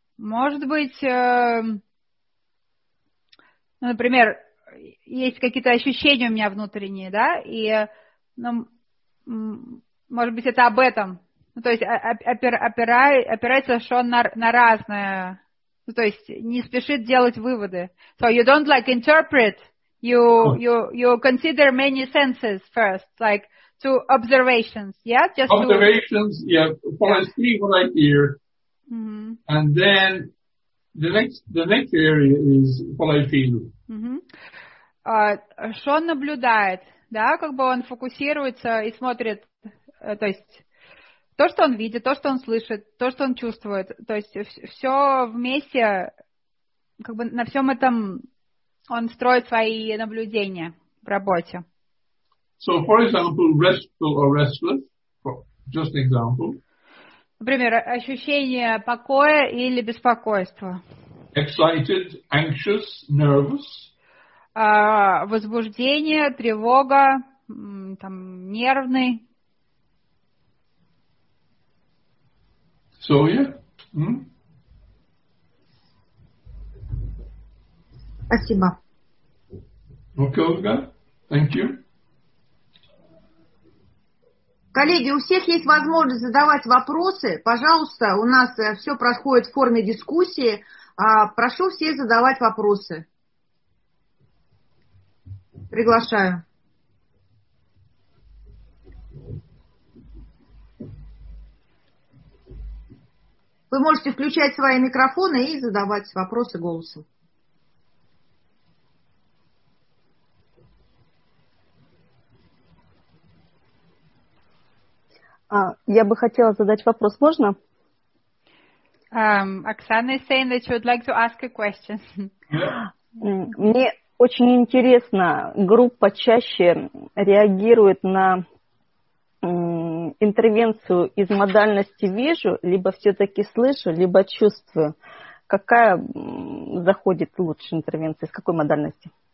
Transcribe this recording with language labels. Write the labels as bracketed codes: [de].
[ru] Может быть, например, есть какие-то ощущения у меня внутренние, да? И, ну, может быть, это об этом. Ну, то есть опирается Шон на разное. Ну, то есть не спешит делать выводы. [en] So you don't like interpret. You consider many senses first, like two observations. Yeah, just observations. To... Yeah, what I see, what I hear, mm-hmm. and then the next area is what I feel. [ru] Шон наблюдает, да, как бы он фокусируется и смотрит, то есть. То, что он видит, то, что он слышит, то, что он чувствует. То есть все вместе, как бы на всем этом он строит свои наблюдения в работе. [en] So, for example, restful or restless, just example. [ru] Например, ощущение покоя или беспокойства. [en] Excited, anxious, nervous. [ru] Возбуждение, тревога, там, нервный. [en] So, yeah. [ru] Спасибо. [en] Okay, Olga. Thank you. [ru] Коллеги, у всех есть возможность задавать вопросы. Пожалуйста, у нас все проходит в форме дискуссии. Прошу всех задавать вопросы. Приглашаю. Вы можете включать свои микрофоны и задавать вопросы голосом. Я бы хотела задать вопрос. Можно? [en] Оксана is saying that she would like to ask a question. [ru] Мне очень интересно, группа чаще реагирует на... интервенцию из модальности вижу, либо все-таки слышу, либо чувствую. Какая заходит лучше интервенция, из какой модальности?